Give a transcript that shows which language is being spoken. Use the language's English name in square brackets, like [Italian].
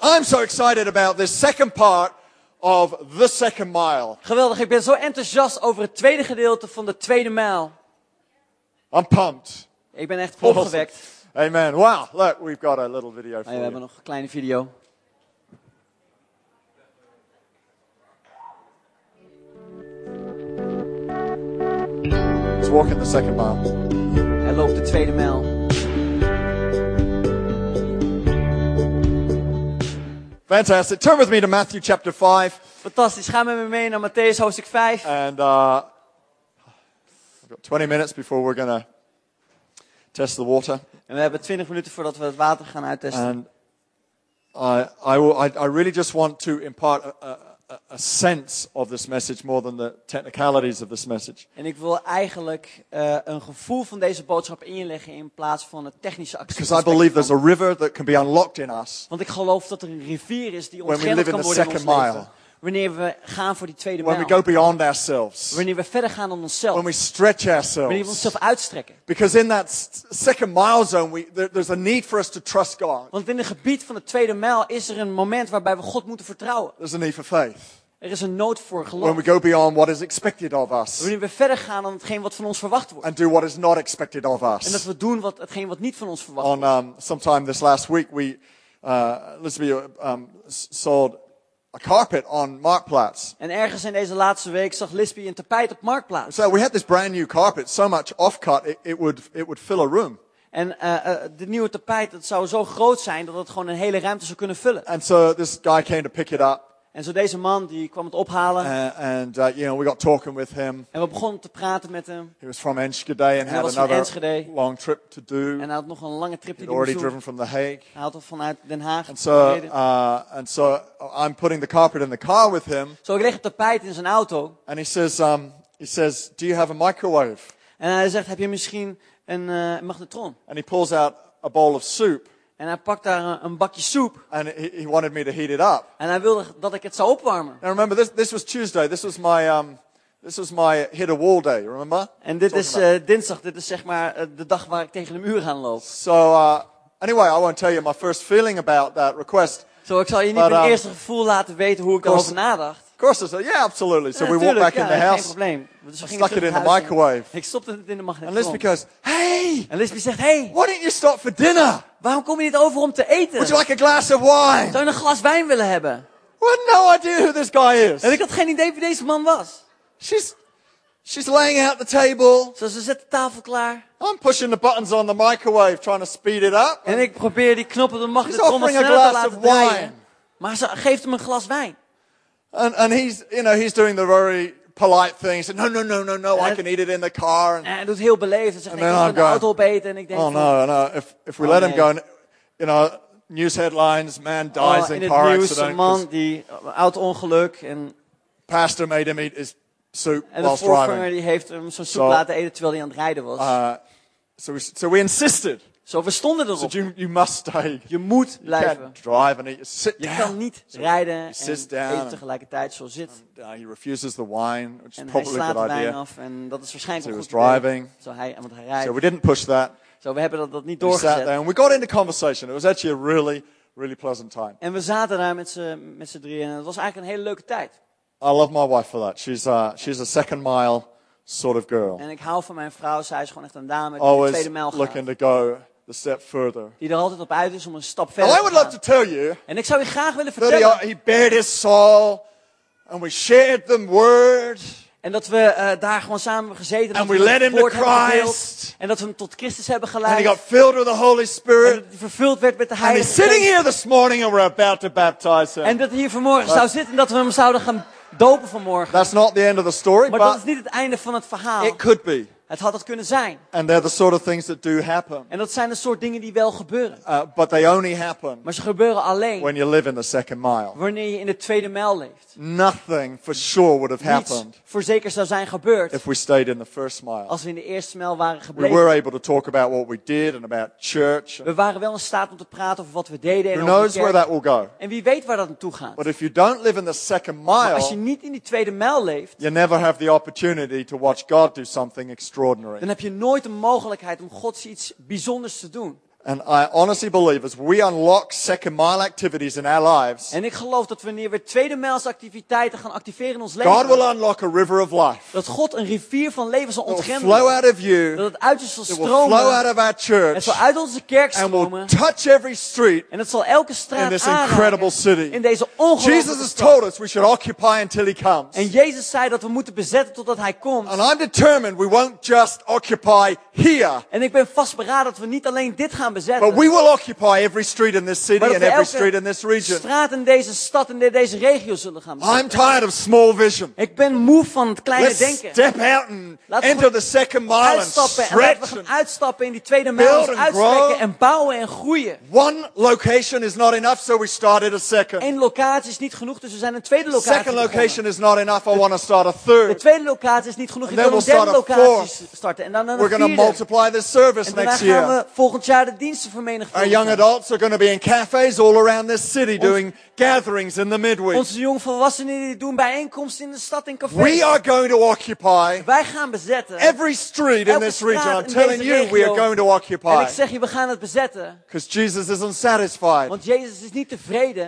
[English] I'm so excited about this second part of the second mile. [Dutch] Geweldig. Ik ben zo enthousiast over het tweede gedeelte van de tweede mijl. [English] I'm pumped. [Dutch] Ik ben echt opgewekt. [English] Amen. Wow. Look, we've got a little video for you. [Dutch] We hebben nog een kleine video. [English] He's walking the second mile. [Dutch] Hij loopt de tweede mijl. [English] Fantastic. Turn with me to Matthew chapter 5. [Dutch] Fantastisch. Ga met me mee naar Matthäus hoofdstuk 5. [English] And we've got 20 minutes before we're going to test the water. [Dutch] En we hebben 20 minuten voordat we het water gaan uittesten. [English] And I really just want to impart a sense of this message more than the technicalities of this message. [Dutch] En ik wil eigenlijk een gevoel van deze boodschap inleggen in plaats van het technische aspect. [English] Because I believe there's a river that can be unlocked in us. [Dutch] Want ik geloof dat er een rivier is die ontgrendeld kan worden in ons leven. [English] Mile. [Dutch] Wanneer we gaan voor die tweede mijl. [English] When we go beyond ourselves. [Dutch] Wanneer we verder gaan dan onszelf. [English] When we stretch ourselves. [Dutch] Wanneer we onszelf uitstrekken. [English] Because in that second mile zone, there's a need for us to trust God. [Dutch] Want in het gebied van de tweede mijl is er een moment waarbij we God moeten vertrouwen. [English] There's a need for faith. [Dutch] Er is een nood voor geloof. [English] When we go beyond what is expected of us. [Dutch] Wanneer we verder gaan dan hetgeen wat van ons verwacht wordt. [English] And do what is not expected of us. [Dutch] En dat we doen wat hetgeen wat niet van ons verwacht wordt. [English] On sometime this last week we Elizabeth sold a carpet on Marktplaats. [Dutch] En ergens in deze laatste week zag Lisby een tapijt op Marktplaats. [English] So we had this brand new carpet, so much offcut, it would fill a room. [Dutch] En de nieuwe tapijt, dat zou zo groot zijn dat het gewoon een hele ruimte zou kunnen vullen. [English] And so this guy came to pick it up. [Dutch] En zo deze man die kwam het ophalen. [English] We got talking with him. [Dutch] En we begonnen te praten met hem. [English] He was from Enschede and had another Enschede. Long trip to do. [Dutch] En hij had nog een lange trip [English] He'd already driven from The Hague. [Dutch] Hij had al vanuit Den Haag. [English] And so I'm putting the carpet in the car with him. [Dutch] Zo ik leg het tapijt in zijn auto. [English] And he says, do you have a microwave? [Dutch] En hij zegt, heb je misschien een magnetron? [English] And he pulls out a bowl of soup. [Dutch] En hij pakt daar een bakje soep. [English] And he wanted me to heat it up. [Dutch] En hij wilde dat ik het zou opwarmen. [English] Now remember, this was Tuesday. This was my hit a wall day. Remember? [Dutch] En dit is dinsdag. Dit is zeg maar de dag waar ik tegen de muur aan loop. [English] So anyway, I won't tell you my first feeling about that request. [Dutch] So ik zal je niet mijn eerste gevoel laten weten hoe ik erover nadacht. [English] Of course, I said, yeah, absolutely. So [Dutch] ja, [English] we walked back in the house. [Dutch] Geen probleem. Dus [English] we stuck it in the microwave. [Dutch] Ik stopte het in de magnetron. [English] And Lisby goes, hey. [Dutch] En Lisby zegt, hey. [English] Why don't you stop for dinner? [Dutch] Waarom kom je niet over om te eten? [English] Would you like a glass of wine? [Dutch] Zou je een glas wijn willen hebben? [English] What, no idea who this guy is. [Dutch] En ik had geen idee wie deze man was. [English] She's laying out the table. [Dutch] Zo, ze zet de tafel klaar. [English] I'm pushing the buttons on the microwave, trying to speed it up. [Dutch] En ik probeer die knop op de magnetron sneller te laten draaien. Maar ze geeft hem een glas wijn. [English] And he's, you know, he's doing the very polite thing. He said, no, I can eat it in the car. [Dutch] En hij doet heel beleefd. Hij zegt, ik kan het in de auto opeten. En ik denk, [English] If we let him go, you know, news headlines, man dies in car [Dutch] nieuws, [English] accident. [Dutch] Een man die auto-ongeluk. En [English] pastor made him eat his soup [Dutch] en [English] whilst driving. [Dutch] En de voorganger heeft hem zo'n soep laten eten terwijl hij aan het rijden was. [English] So we insisted. [Dutch] Zo, we stonden erop. [English] So you must stay. [Dutch] Je moet blijven. [English] You can't drive and eat. Sit down. [Dutch] Je kan niet rijden en eten tegelijkertijd zo zit. [English] He refuses the wine, which is probably a good idea. [Dutch] En hij slaat de wijn af en dat is waarschijnlijk een goed idee. Zo, hij, want hij rijdt. [English] So we didn't push that. [Dutch] Zo, we hebben dat niet doorgezet. [English] We sat there and we got into conversation. It was actually a really, really pleasant time. [Dutch] En we zaten daar met z'n drieën en het was eigenlijk een hele leuke tijd. [English] I love my wife for that. She's a second mile sort of girl. [Dutch] En ik hou van mijn vrouw. Zij is gewoon echt een dame die [English] always [Dutch] de tweede mijl gaat. [English] Looking to go. The step further. [Dutch] Die er altijd op uit is om een stap verder te gaan. [English] I would love to tell you. [Dutch] En ik zou je graag willen vertellen. [English] That he bared his soul, and we shared the word. [Dutch] En dat we daar gewoon samen gezeten. [English] And we led him to Christ. [Dutch] En dat we hem tot Christus hebben geleid. [English] And he got filled with the Holy Spirit. [Dutch] En dat hij vervuld werd met de Heilige Geest. [English] And he's sitting here this morning, and we're about to baptize him. [Dutch] En dat hij hier vanmorgen zou zitten, en dat we hem zouden gaan dopen vanmorgen. [English] That's not the end of the story, [Dutch] maar dat is niet het einde van het verhaal. [English] It could be. [Dutch] Het had het kunnen zijn. [English] And they're the sort of things that do happen. [Dutch] En dat zijn de soort dingen die wel gebeuren. [English] But they only happen. [Dutch] Maar ze gebeuren alleen. [English] When you live in the second mile. [Dutch] Wanneer je in de tweede mijl leeft. [English] Nothing for sure would have happened. [Dutch] Niets voor zeker zou zijn gebeurd. [English] If we stayed in the first mile. [Dutch] Als we in de eerste mijl waren gebleven. [English] We were able to talk about what we did and about church. [Dutch] We waren wel in staat om te praten over wat we deden en over de kerk. [English] Who knows where that will go? [Dutch] En wie weet waar dat naartoe gaat? [English] But if you don't live in the second mile. [Dutch] Maar als je niet in die tweede mijl leeft. [English] You never have the opportunity to watch God do something extraordinary. [Dutch] Dan heb je nooit de mogelijkheid om Gods iets bijzonders te doen. [English] And I honestly believe as we unlock second mile activities in our lives. [Dutch] En ik geloof dat wanneer we tweede mijls activiteiten gaan activeren in ons leven. [English] God will unlock a river of life. [Dutch] Dat God een rivier van leven zal ontgrendelen. [English] Will flow out of you. [Dutch] Dat het uit je zal stromen. [English] Will flow out of our church. [Dutch] Het zal uit onze kerk stromen. [English] And will touch every street. [Dutch] En het zal elke straat aanraken. [English] In this incredible city. [Dutch] In deze ongelooflijke stad. [English] Jesus has told us we should occupy until he comes. [Dutch] En Jezus zei dat we moeten bezetten totdat hij komt. [English] And I'm determined we won't just occupy here. [Dutch] En ik ben vastberaden dat we niet alleen dit gaan bezetten. [English] But we will occupy every street in this city and every street in this region. [Dutch] Straat in deze stad en in deze regio zullen gaan bezetten. [English] I'm tired of small vision. [Dutch] Ik ben moe van het kleine [English] Let's [Dutch] denken. [English] Step out and enter the second mile and stretch. [Dutch] Laten we gaan uitstappen in die tweede mijl, uitstrekken en bouwen en groeien. [English] One location is not enough, so we started a second. [Dutch] Eén locatie is niet genoeg, dus we zijn een tweede locatie. [English] Second location is not enough. I want to start a third. [Dutch] De tweede locatie is niet genoeg. Ik wil een derde locatie starten en dan een vierde. [English] We're going to multiply this service next year. [Dutch] En dan gaan we volgend jaar de [English] Our young adults are going to be in cafes all around this city doing gatherings in the midweek. [Dutch] Onze jonge volwassenen die doen bijeenkomsten in de stad in cafés. [English] We are going to occupy. [Dutch] Wij gaan bezetten. [English] Every street in this region. I'm telling you, we are going to occupy. [Dutch] En ik zeg je, we gaan het bezetten. [English] Because Jesus is unsatisfied. [Dutch] Want Jezus is niet tevreden.